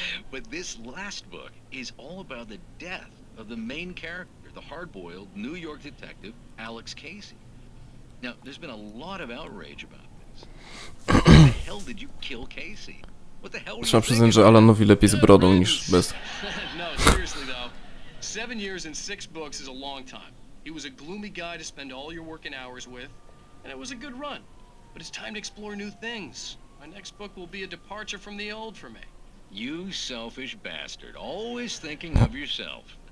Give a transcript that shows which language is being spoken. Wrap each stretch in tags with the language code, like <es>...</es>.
<en>But this last book is all about the death of the main character, the hard-boiled New York detective Alex Casey. Now, there's been a lot of outrage about this. How the hell did you kill Casey? What the hell?</en> <pl>Trzeba przyznać, że Alanowi lepiej z brodą niż bez.</pl> <en>No, seriously though, 7 years and 6 books is a long time. He was a gloomy guy to spend all your working hours with, and it was a good run. But it's time to explore new things. My next book will be a departure from the old for me. You selfish bastard, always thinking of yourself.</en>